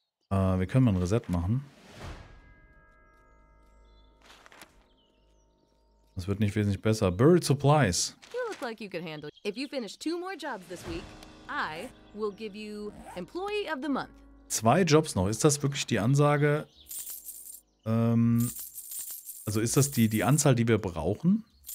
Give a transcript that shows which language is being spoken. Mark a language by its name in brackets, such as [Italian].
[German] Wir können mal ein Reset machen. Das wird nicht wesentlich besser. [English] Buried Supplies. Like you can handle. If you finish 2 more jobs this week, I will give you Employee of the Month. [German] 2 Jobs noch. Ist das wirklich die Ansage? Also ist das die Anzahl, die wir brauchen?